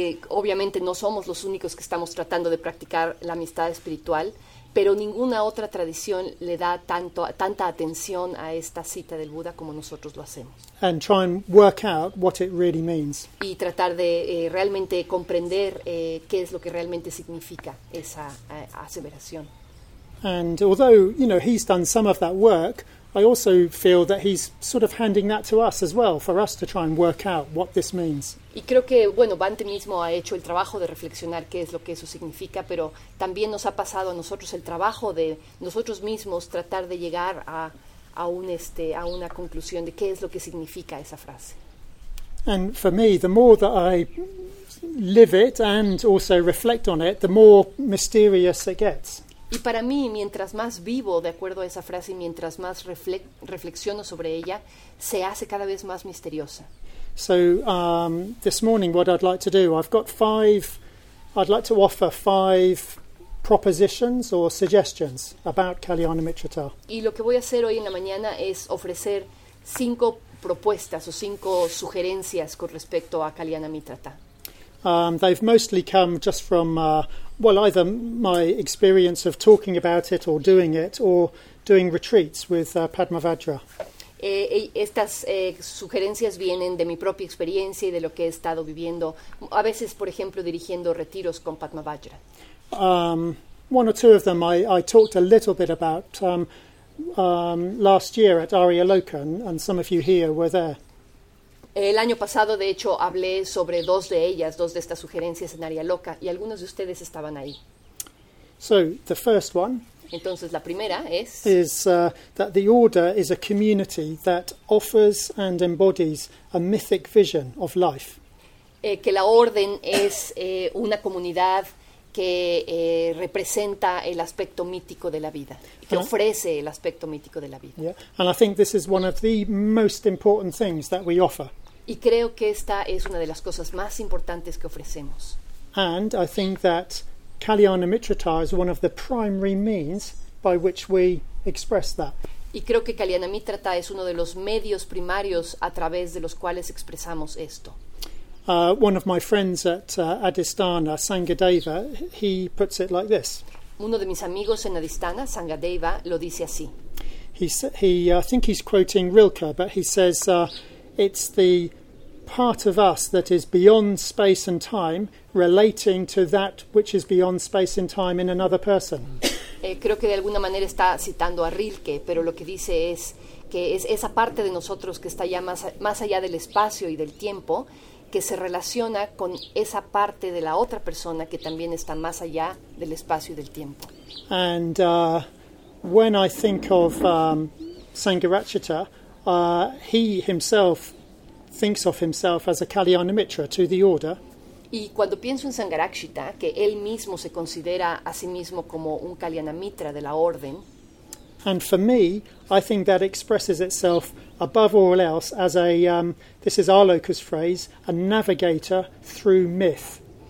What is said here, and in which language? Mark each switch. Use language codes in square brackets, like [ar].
[es] Obviamente no somos los únicos que estamos tratando de practicar la amistad espiritual, pero ninguna otra tradición le da tanta atención a esta cita del Buda como nosotros lo hacemos. [en] And try and work out what it really means. [es] Y tratar de realmente comprender qué es lo que realmente significa esa aseveración. [en] And although, you know, he's done some of that work, I also feel that he's sort of handing that to us as well, for us to try and work out what this means. [es] Y creo que, bueno, Bante mismo ha hecho el trabajo de reflexionar qué es lo que eso significa, pero también nos ha pasado a nosotros el trabajo de nosotros mismos tratar de llegar a una conclusión de qué es lo que significa esa frase. [en] And for me, the more that I live it and also reflect on it, the more mysterious it gets. [es] Y para mí, mientras más vivo de acuerdo a esa frase y mientras más reflexiono sobre ella, se hace cada vez más misteriosa. [en] So, this morning what I'd like to do, I'd like to offer five propositions or suggestions about Kalyana Mitrata. [es] Y lo que voy a hacer hoy en la mañana es ofrecer cinco propuestas o cinco sugerencias con respecto a Kalyana Mitrata. [en] They've mostly come just from either my experience of talking about it or doing it or doing retreats with Padmavajra. [es] Estas sugerencias vienen de mi propia experiencia y de lo que he estado viviendo, a veces, por ejemplo, dirigiendo retiros con Padmavajra. [en] One or two of them I talked a little bit about last year at Arya Loka, and some of you here were there. [es] El año pasado, de hecho, hablé sobre dos de ellas, dos de estas sugerencias en Área Loca, y algunos de ustedes estaban ahí. [en] So, the first one. [es] Entonces, la primera es. [en] Is that the order is a community that offers and embodies a mythic vision of life. [es] Que la orden es una comunidad que representa el aspecto mítico de la vida, que ofrece el aspecto mítico de la vida. [en] Yeah. And I think this is one of the most important things that we offer. [es] Y creo que esta es una de las cosas más importantes que ofrecemos. [en] And I think that Kalyanamitrita is one of the primary means by which we express that. [es] Y creo que Kalyanamitrita es uno de los medios primarios a través de los cuales expresamos esto. [en] One of my friends at Adistana, Sangadeva, he puts it like this. [es] Uno de mis amigos en Adistana, Sangadeva, lo dice así. [en] I think he's quoting Rilke, but he says it's the part of us that is beyond space and time, relating to that which is beyond space and time in another person. [es] Creo que de alguna manera está citando a Rilke, pero lo que dice es que es esa parte de nosotros que está ya más allá del espacio y del tiempo, que se relaciona con esa parte de la otra persona que también está más allá del espacio y del tiempo. [en] And when I think of Sangharakshita, he himself thinks of himself as a Kalyanamitra to the order. [es] Y cuando pienso en Sangharakshita, que él mismo se considera a sí mismo como un Kalyanamitra de la orden. [en] And for me, I think that expresses itself above all else as a, this is Aloka's phrase, a navigator through myth.